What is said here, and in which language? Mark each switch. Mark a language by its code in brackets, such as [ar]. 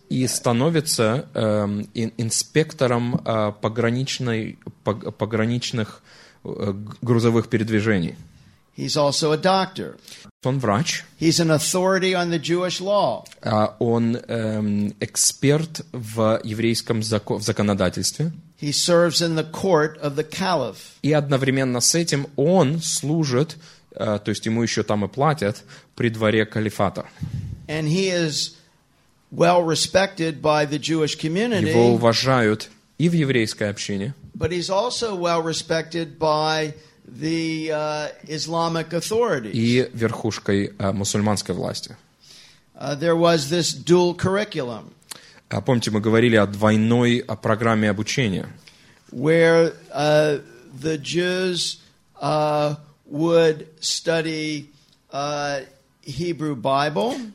[ru] И становится инспектором пограничных грузовых передвижений. [en] He's also a doctor. [ru] Он врач. [en] He's an authority on the Jewish law. [ru] Он эксперт в еврейском в законодательстве. [en] He serves in the court of the caliph. [ru] И одновременно с этим он служит, то есть ему еще там и платят, при дворе калифата. [en] And he is well respected by the Jewish community. [ru] Его уважают и в еврейской общине. [en] But he's also well respected by the Islamic authorities. [ru] И верхушкой мусульманской власти. [en] There was this dual curriculum. [ru] Помните, мы говорили о двойной программе обучения. [en] Where the Jews would study Hebrew Bible.